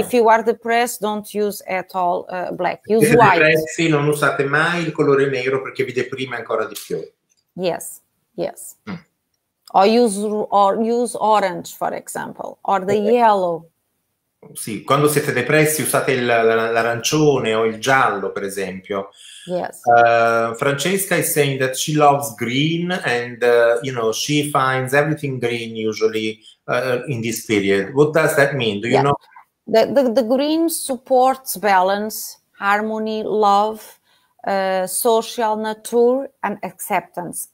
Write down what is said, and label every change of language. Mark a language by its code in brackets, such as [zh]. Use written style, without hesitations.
[en] If you are depressed, don't use at all black. Use white. [it] Depressi, non usate mai il colore nero perché vi deprime ancora di più. [en] Yes, yes. Mm. Or use orange, for example, or the yellow. [it] Sì, quando siete depressi usate l'arancione o il giallo, per esempio. [en] Yes. Francesca is saying that she loves green and you know, she finds everything green usually in this period. What does that mean? Do you know? The green supports balance, harmony, love, social nature and acceptance.